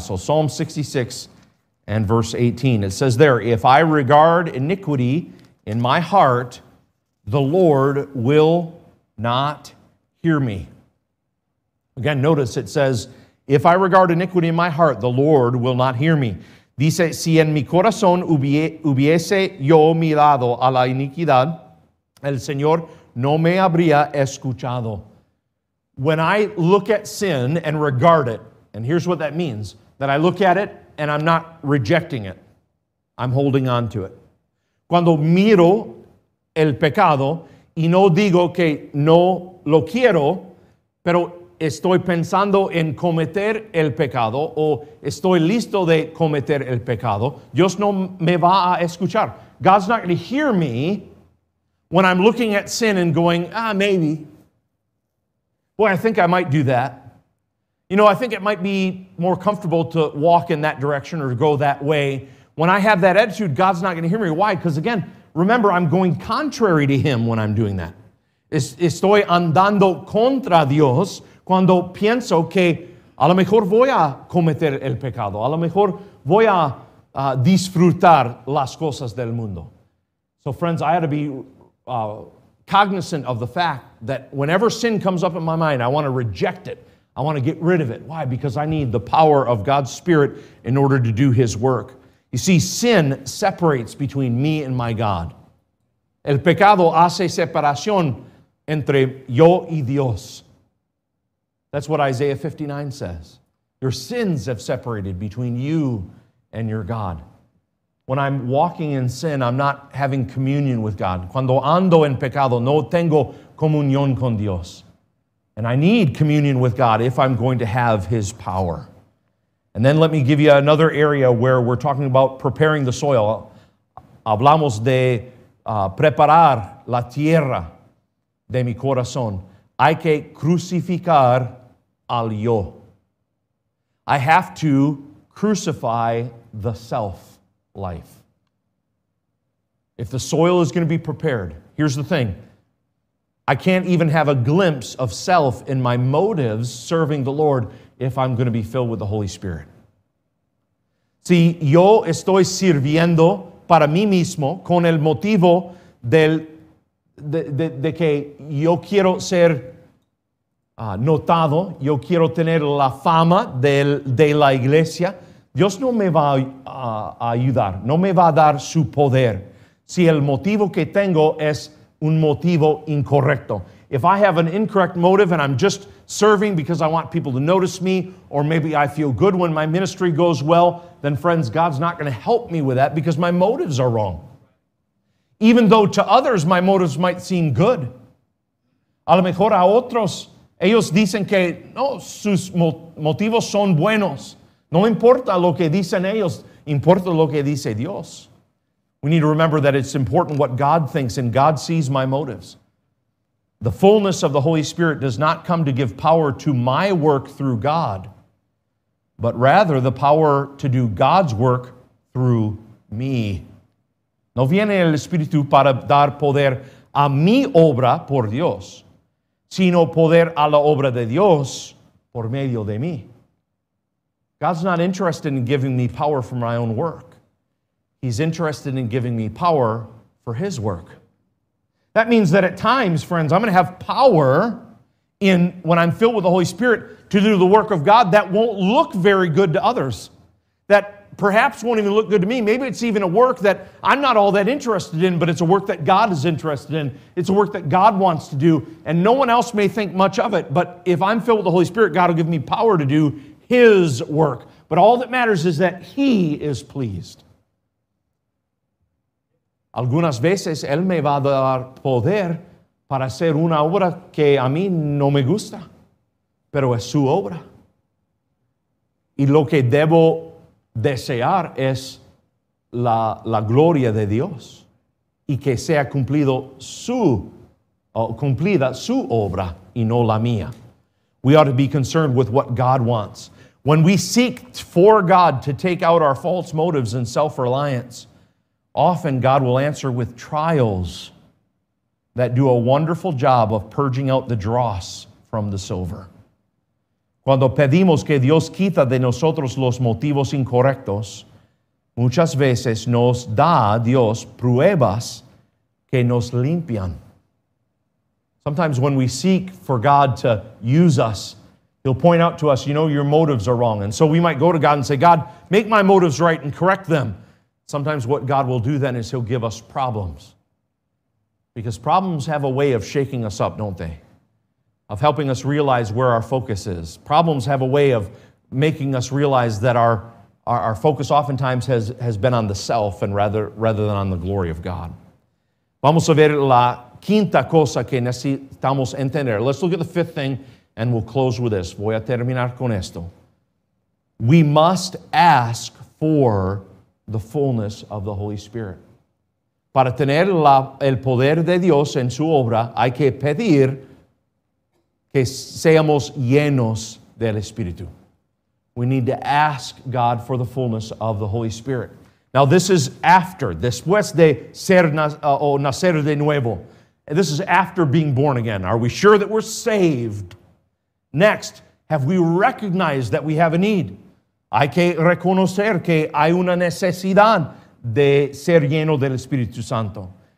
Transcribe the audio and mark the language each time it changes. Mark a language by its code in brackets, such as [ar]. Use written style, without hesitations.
[en] So Psalm 66 and verse 18, it says there, if I regard iniquity in my heart, the Lord will not hear me. Again, notice it says, if I regard iniquity in my heart, the Lord will not hear me. [es] Dice, si en mi corazón hubiese yo mirado a la iniquidad, el Señor no me habría escuchado. [en] When I look at sin and regard it, and here's what that means, that I look at it, and I'm not rejecting it. I'm holding on to it. [es] Cuando miro el pecado y no digo que no lo quiero, pero estoy pensando en cometer el pecado o estoy listo de cometer el pecado, Dios no me va a escuchar. [en] God's not going to hear me when I'm looking at sin and going, ah, maybe. Boy, I think I might do that. You know, I think it might be more comfortable to walk in that direction or go that way. When I have that attitude, God's not going to hear me. Why? Because again, remember, I'm going contrary to him when I'm doing that. [es] Estoy andando contra Dios cuando pienso que a lo mejor voy a cometer el pecado. A lo mejor voy a disfrutar las cosas del mundo. [en] So friends, I ought to be cognizant of the fact that whenever sin comes up in my mind, I want to reject it. I want to get rid of it. Why? Because I need the power of God's Spirit in order to do his work. You see, sin separates between me and my God. [es] El pecado hace separación entre yo y Dios. [en] That's what Isaiah 59 says. Your sins have separated between you and your God. When I'm walking in sin, I'm not having communion with God. [es] Cuando ando en pecado, no tengo comunión con Dios. [en] And I need communion with God if I'm going to have His power. And then let me give you another area where we're talking about preparing the soil. [es] Hablamos de preparar la tierra de mi corazón. Hay que crucificar al yo. [en] I have to crucify the self life. If the soil is going to be prepared, here's the thing. I can't even have a glimpse of self in my motives serving the Lord if I'm going to be filled with the Holy Spirit. [es] Si yo estoy sirviendo para mí mismo con el motivo de que yo quiero ser notado, yo quiero tener la fama de la iglesia, Dios no me va a ayudar, no me va a dar su poder. Si el motivo que tengo es un motivo incorrecto. [en] If I have an incorrect motive and I'm just serving because I want people to notice me, or maybe I feel good when my ministry goes well, then friends, God's not going to help me with that because my motives are wrong. Even though to others my motives might seem good. [es] A lo mejor a otros, ellos dicen que no, sus motivos son buenos. No importa lo que dicen ellos, importa lo que dice Dios. [en] We need to remember that it's important what God thinks, and God sees my motives. The fullness of the Holy Spirit does not come to give power to my work through God, but rather the power to do God's work through me. [es] No viene el Espíritu para dar poder a mi obra por Dios, sino poder a la obra de Dios por medio de mí. [en] God's not interested in giving me power for my own work. He's interested in giving me power for His work. That means that at times, friends, I'm going to have power in when I'm filled with the Holy Spirit to do the work of God that won't look very good to others, that perhaps won't even look good to me. Maybe it's even a work that I'm not all that interested in, but it's a work that God is interested in. It's a work that God wants to do, and no one else may think much of it, but if I'm filled with the Holy Spirit, God will give me power to do His work. But all that matters is that He is pleased. [es] Algunas veces Él me va a dar poder para hacer una obra que a mí no me gusta, pero es su obra. Y lo que debo desear es la gloria de Dios y que sea cumplida su obra y no la mía. [en] We ought to be concerned with what God wants. When we seek for God to take out our false motives and self-reliance, often God will answer with trials that do a wonderful job of purging out the dross from the silver. [es] Cuando pedimos que Dios quita de nosotros los motivos incorrectos, muchas veces nos da Dios pruebas que nos limpian. [en] Sometimes when we seek for God to use us, He'll point out to us, you know, your motives are wrong. And so we might go to God and say, God, make my motives right and correct them. Sometimes what God will do then is He'll give us problems. Because problems have a way of shaking us up, don't they? Of helping us realize where our focus is. Problems have a way of making us realize that our focus oftentimes has been on the self and rather than on the glory of God. [es] Vamos a ver la quinta cosa que necesitamos entender. [en] Let's look at the fifth thing and we'll close with this. [es] Voy a terminar con esto. [en] We must ask for the fullness of the Holy Spirit. [es] Para tener el poder de Dios en su obra, hay que pedir que seamos llenos del Espíritu. [en] We need to ask God for the fullness of the Holy Spirit. Now, this is after, [es] después de ser nacer de nuevo. [en] This is after being born again. Are we sure that we're saved? Next, have we recognized that we have a need? [es] Hay que reconocer que hay una necesidad de ser lleno del Espíritu Santo.